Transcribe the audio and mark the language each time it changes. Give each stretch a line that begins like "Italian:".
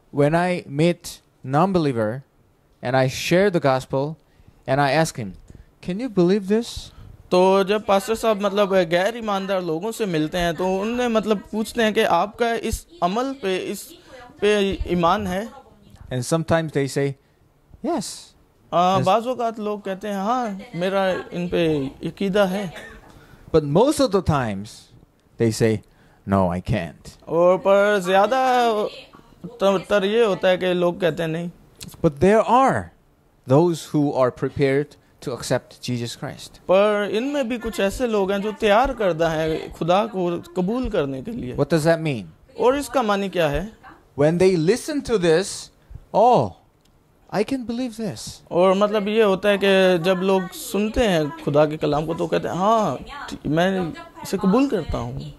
English: When I meet non-believer and I share the gospel and I ask him, can you believe this?
Urdu: تو جب pastor صاحب مطلب غیر ایماندار لوگوں سے ملتے ہیں تو انہیں مطلب پوچھتے ہیں کہ آپ کا اس عمل پہ اس پہ ایمان ہے.
English: And sometimes they say, yes.
Urdu: بعض اوقات لوگ کہتے ہیں ہاں میرا ان پہ عقیدہ ہے.
English: But most of the times they say, no, I can't.
Urdu: اور پر زیادہ تر یہ ہوتا ہے کہ لوگ کہتے ہیں نہیں.
English: But there are those who are prepared to accept Jesus Christ.
Urdu: پر ان میں بھی کچھ ایسے لوگ ہیں جو تیار کردہ ہیں خدا کو قبول کرنے کے لیے.
English: What does that mean?
Urdu: اور اس کا معنی کیا ہے؟
English: When they listen to this, oh, I can believe this.
Urdu: اور مطلب یہ ہوتا ہے کہ جب لوگ سنتے ہیں خدا کے کلام کو تو کہتے ہیں ہاں میں اسے قبول کرتا ہوں.